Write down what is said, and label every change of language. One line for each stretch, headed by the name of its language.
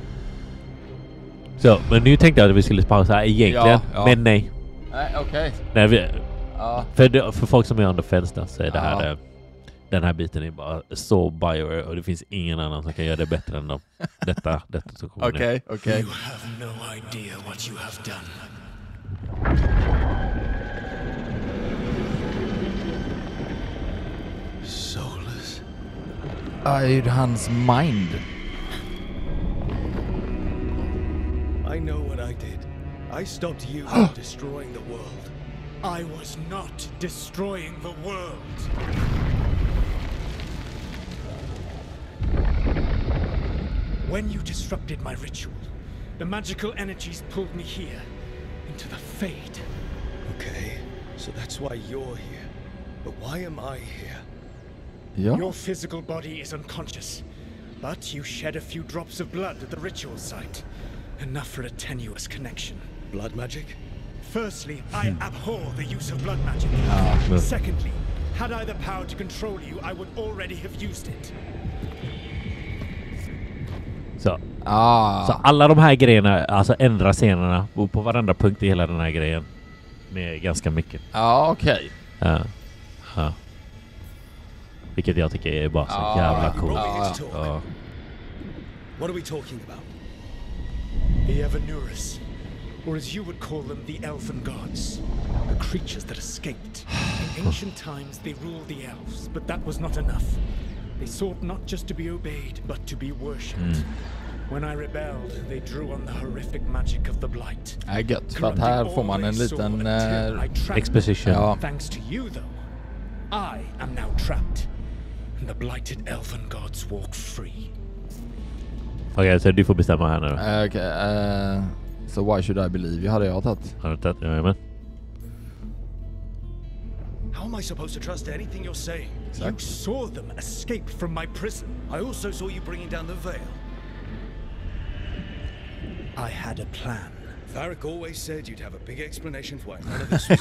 Swedish: Oh. Så, men nu tänkte jag att vi skulle pausa egentligen, ja. Men nej. Okej. Okay. För folk som är under fönstret så är det här, den här biten är bara så Bioware, och det finns ingen annan som kan göra det bättre än dem. Detta så kommer. Okej, okay.
English: You have no idea what you have done. Soulless. Är hans mind. I know what I did. I stopped you from destroying the world. I was not destroying the world. When you disrupted my ritual, the magical energies pulled me here into the fade. Okay, so that's why you're here. But why am I here?
Swedish: Ja.
English: Your physical body is unconscious, but you shed a few drops of blood at the ritual site. Enough for a tenuous connection. Blood magic? Firstly, I abhor the use of blood magic. Secondly, had I the power to control you, I would already have used it.
Swedish: Så. Så alla de här grejerna, alltså ändra scenerna på varenda punkt i hela den här grejen med ganska mycket. Ja, okej. Ja. Vilket jag tycker är bara så jävla coolt.
English: What are we talking about? The Evanurus, or as you would call them, the Elven Gods. The creatures that escaped. In ancient times, they ruled the elves, but that was not enough. They sought not just to be obeyed, but to be worshipped. When I rebelled, they drew on the horrific magic of the Blight. I get that.
Swedish: Här får man en liten exposition. Ja.
English: Thanks to you, though, I am now trapped. The blighted elven gods walk free.
Swedish: Okej, så du får bestämma här nu.
English: So why should I believe you?
Swedish: Hade jag tagit? Har du tagit? Ja, jajamän.
English: How am I supposed to trust anything you're saying? Exactly. You saw them escape from my prison. I also saw you bringing down the veil. I had a plan. Varric always said you'd have a big explanation for why none of this was